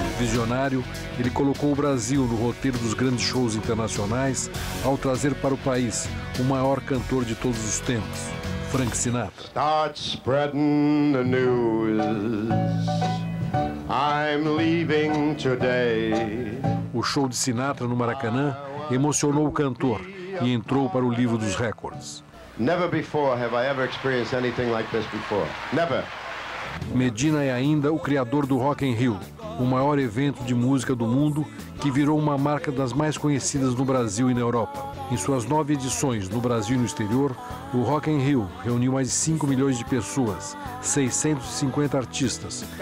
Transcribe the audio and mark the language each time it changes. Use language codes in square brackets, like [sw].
[pt] Visionário, ele colocou o Brasil no roteiro dos grandes shows internacionais ao trazer para o país o maior cantor de todos os tempos. Frank Sinatra. [en] Start spreading the news. I'm leaving today. [pt] O show de Sinatra no Maracanã emocionou o cantor e entrou para o livro dos recordes. [en] Never before have I ever experienced anything like this before. Never. [pt] Medina é ainda o criador do Rock in Rio, o maior evento de música do mundo que virou uma marca das mais conhecidas no Brasil e na Europa. Em suas 9 edições no Brasil e no exterior, o Rock in Rio reuniu mais de 5 milhões de pessoas, 650 artistas.